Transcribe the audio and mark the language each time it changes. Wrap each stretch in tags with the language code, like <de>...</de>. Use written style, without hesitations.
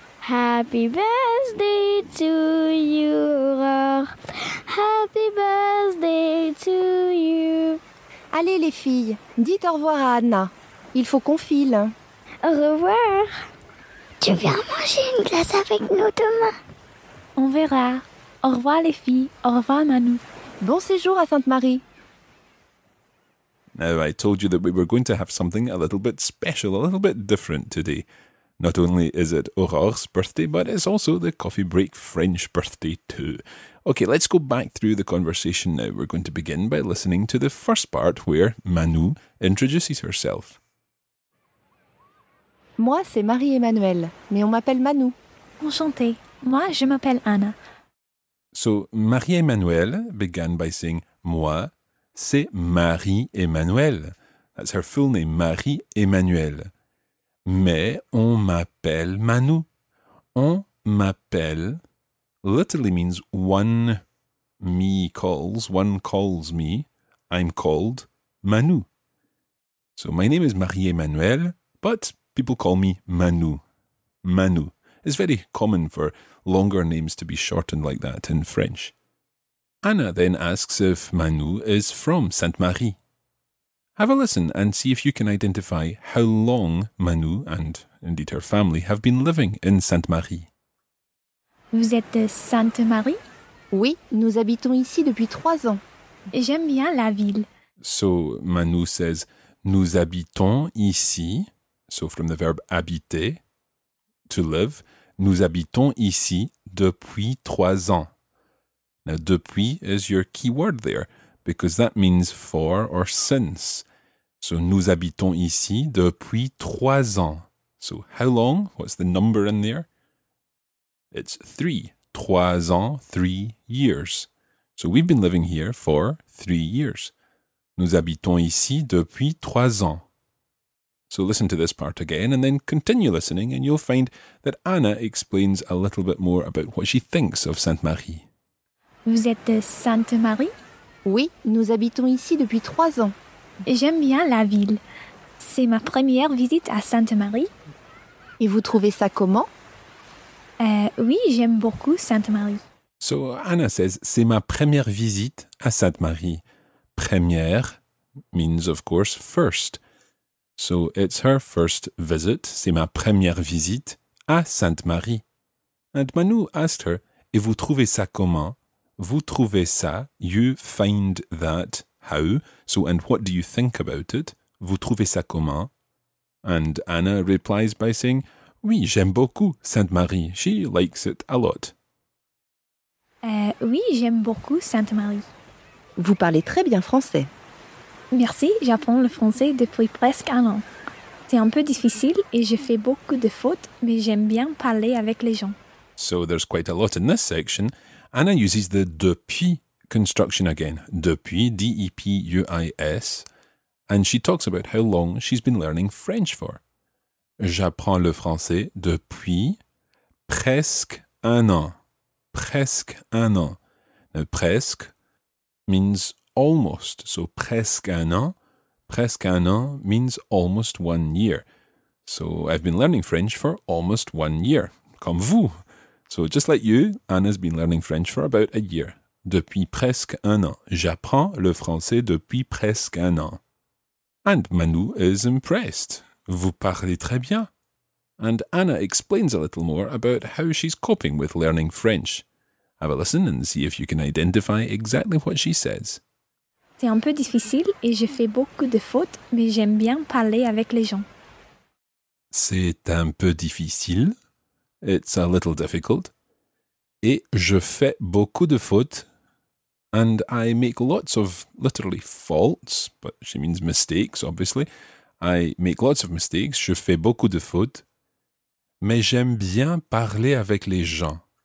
<en>Happy Birthday to you, Aurore. Happy Birthday to you.</en> <fr>Allez les filles, dites au revoir à Anna. Il faut qu'on file. Au revoir. Tu viens manger une glace avec nous demain? On verra. Au revoir les filles. Au revoir Manou. Bon séjour à Sainte-Marie.</fr> <en>Now I told you that we were going to have something a little bit special, a little bit different today. Not only is it Aurore's birthday, but it's also the Coffee Break French birthday too. Okay, let's go back through the conversation now. We're going to begin by listening to the first part where Manou introduces herself.</en> <fr>Moi, c'est Marie-Emmanuelle, mais on m'appelle Manou. Enchantée. Moi, je m'appelle Anna.</fr> <en>So, Marie-Emmanuelle began by saying,</en> <fr>moi, c'est Marie-Emmanuelle.</fr> <en>That's her full name, Marie-Emmanuelle.</en> <fr>Mais on m'appelle Manu. On m'appelle</fr> <en>literally means one me calls, one calls me. I'm called Manu. So my name is Marie-Emmanuelle, but people call me Manu. Manu. It's very common for longer names to be shortened like that in French. Anna then asks if Manu is from Sainte-Marie. Have a listen and see if you can identify how long Manu and indeed her family have been living in Sainte-Marie.</en> <fr>Vous êtes de Sainte-Marie? Oui, nous habitons ici depuis 3 ans. J'aime bien la ville.</fr> <en>So Manu says,</en> <fr>nous habitons ici.</fr> <en>So from the verb habiter, to live.</en> <fr>Nous habitons ici depuis 3 ans.</fr> <en>Now, depuis is your key word there, because that means for or since.</en> <fr>So, nous habitons ici depuis 3 ans.</fr> <en>So, how long? What's the number in there? It's 3.</en> <fr>3 ans,</fr> <en>3 years. So, we've been living here for 3 years.</en> <fr>Nous habitons ici depuis 3 ans.</fr> <en>So, listen to this part again and then continue listening and you'll find that Anna explains a little bit more about what she thinks of Sainte-Marie.</en> <fr>Vous êtes de Sainte-Marie? Oui, nous habitons ici depuis 3 ans. J'aime bien la ville. C'est ma première visite à Sainte-Marie. Et vous trouvez ça comment? Oui, j'aime beaucoup Sainte-Marie.</fr> <en>So, Anna says,</en> <fr>c'est ma première visite à Sainte-Marie.</fr> <en>Première means, of course, first. So, it's her first visit.</en> <fr>C'est ma première visite à Sainte-Marie.</fr> <en>And Manu asked her,</en> <fr>et vous trouvez ça comment? Vous trouvez ça,</fr> <en>you find that. How? So, and what do you think about it?</en> <fr>Vous trouvez ça comment?</fr> <en>And Anna replies by saying,</en> <fr>oui, j'aime beaucoup Sainte-Marie.</fr> <en>She likes it a lot.</en> <fr>Oui, j'aime beaucoup Sainte-Marie. Vous parlez très bien français. Merci, j'apprends le français depuis presque 1 an. C'est un peu difficile et je fais beaucoup de fautes, mais j'aime bien parler avec les gens.</fr> <en>So, there's quite a lot in this section. Anna uses the depuis construction again, depuis, D-E-P-U-I-S, and she talks about how long she's been learning French for.</en> <fr>J'apprends le français depuis presque 1 an. Presque 1 an.</fr> <en>Now, presque means almost, so presque 1 an. Presque 1 an means almost 1 year. So, I've been learning French for almost 1 year,</en> <fr>comme vous.</fr> <en>So, just like you, Anna's been learning French for about a year.</en> <fr>Depuis presque 1 an. J'apprends le français depuis presque 1 an.</fr> <en>And Manu is impressed.</en> <fr>Vous parlez très bien.</fr> <en>And Anna explains a little more about how she's coping with learning French. Have a listen and see if you can identify exactly what she says.</en> <fr>C'est un peu difficile et je fais beaucoup de fautes, mais j'aime bien parler avec les gens.</fr> <en>C'est un peu difficile. It's a little difficult.</en> <fr>Et je fais beaucoup de fautes.</fr> <en>And I make lots of, literally, faults, but she means mistakes, obviously. I make lots of mistakes,</en> <fr>je fais beaucoup de fautes. Mais j'aime bien parler avec les gens.</fr>